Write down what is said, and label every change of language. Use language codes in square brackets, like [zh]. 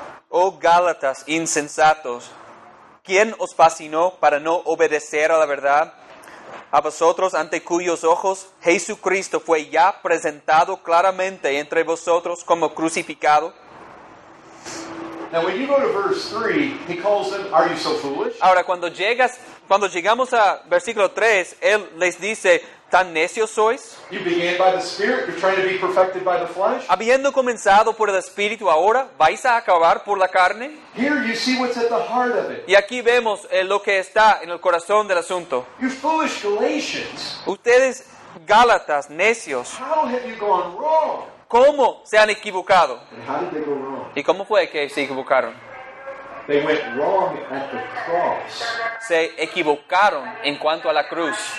[es] Oh Gálatas insensatos, ¿quién os fascinó para no obedecer a la verdad? A vosotros, ante cuyos ojos Jesucristo fue ya presentado claramente entre vosotros como crucificado. [en] Now when you go to verse 3, he calls them, are you so foolish? [es] Ahora cuando llegamos a versículo 3, él les dice, ¿tan necios sois? [en] You began by the Spirit, you're trying to be perfected by the flesh. [es] Habiendo comenzado por el Espíritu, ahora vais a acabar por la carne. [en] Here you see what's at the heart of it. [es] Y aquí vemos lo que está en el corazón del asunto. [en] You foolish Galatians. [es] Ustedes Gálatas necios. [en] How have you gone wrong? [es] ¿Cómo se han equivocado? [en] And how did they go wrong? [es] ¿Y cómo fue que se equivocaron? [en] They went wrong at the cross. [es] Se equivocaron en cuanto a la cruz.